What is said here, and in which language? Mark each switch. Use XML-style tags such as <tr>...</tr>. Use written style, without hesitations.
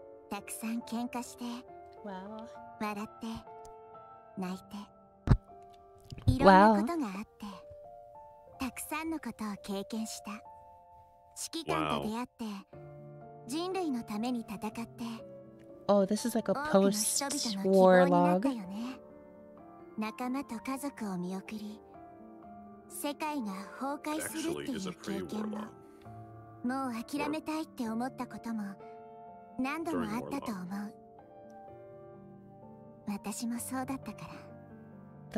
<ja>たくさん喧嘩して、笑って、泣いて、いろんなことがあって、たくさんのことを経験した。指揮官と出会って、人類のために戦って、</ja> <en>oh, this is like a post-war log.</en> <ja>仲間と家族を見送り、世界が崩壊するっていう経験も、もう諦めたいって思ったことも、何度もあったと思う。私もそうだったから。</ja>